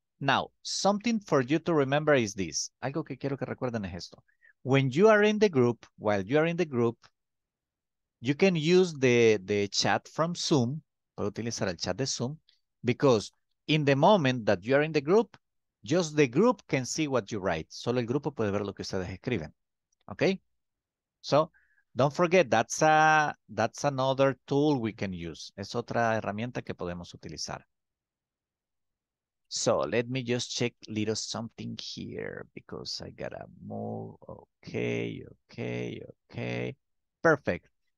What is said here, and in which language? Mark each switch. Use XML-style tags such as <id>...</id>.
<en>Now, something for you to remember is this.</en> <es>Algo que quiero que recuerden es esto.</es> <en>When you are in the group, while you are in the group, you can use the chat from Zoom.</en> <es>Puedo utilizar el chat de Zoom.</es> <en>Because in the moment that you are in the group, just the group can see what you write.</en> <es>Solo el grupo puede ver lo que ustedes escriben.</es> <en>Okay? So, don't forget, that's another tool we can use.</en> <es>Es otra herramienta que podemos utilizar.</es> <en>So let me just check little something here because I gotta move. Okay. Perfect.</en>